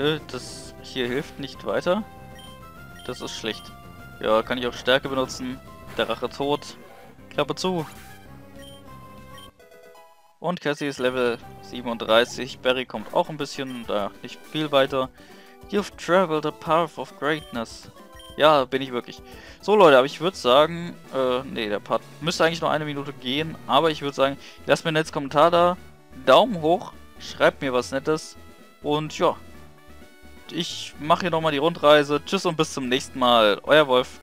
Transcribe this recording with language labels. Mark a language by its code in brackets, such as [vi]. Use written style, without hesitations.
[de] Das hier hilft nicht weiter. Das ist schlecht. Ja, kann ich auch Stärke benutzen. Der Drache tot. Klappe zu. Und Cassie ist Level 37. Barry kommt auch ein bisschen, da nicht viel weiter. [en] You've traveled the path of greatness. [de] Ja, bin ich wirklich. So Leute, aber ich würde sagen, nee, der Part müsste eigentlich nur eine Minute gehen. Aber ich würde sagen, lasst mir einen Kommentar da. Daumen hoch, schreibt mir was Nettes. Und ja, ich mache hier nochmal die Rundreise. Tschüss und bis zum nächsten Mal. Euer Wolf.